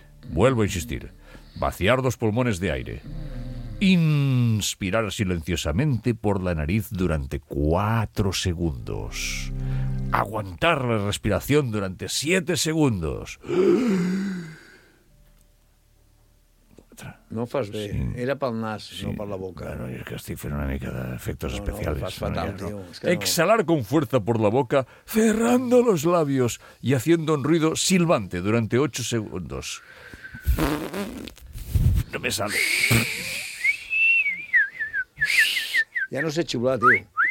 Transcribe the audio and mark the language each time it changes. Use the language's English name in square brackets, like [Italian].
[Spanish] Vuelvo a insistir, vaciar los pulmones de aire. Inspirar silenciosamente por la nariz durante 4 segundos. Aguantar la respiración durante 7 segundos. [Catalan] No fas bé. Sí. Era pel nas, sí. No per la boca. Bueno, és que estic fent una mica d'efectes especials. No, fas fatal, tio. [Spanish] Exhalar con fuerza por la boca, cerrando los labios y haciendo un ruido silbante durante 8 segundos. No me sale. Ya no sé chiflar, tío.